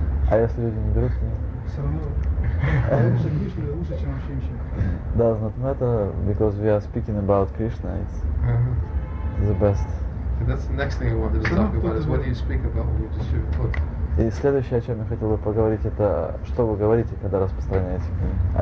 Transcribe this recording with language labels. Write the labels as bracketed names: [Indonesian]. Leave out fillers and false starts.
[Russian] А если люди не берут книги? Все равно. Лучше Кришна лучше, чем вообще ничего. [English] Does not matter, because we are speaking about Krishna, it's the best. That's the next thing I wanted to talk about, is what do you speak about when you distribute books? [Russian] И следующее, о чем я хотел бы поговорить, это что вы говорите, когда распространяете книги?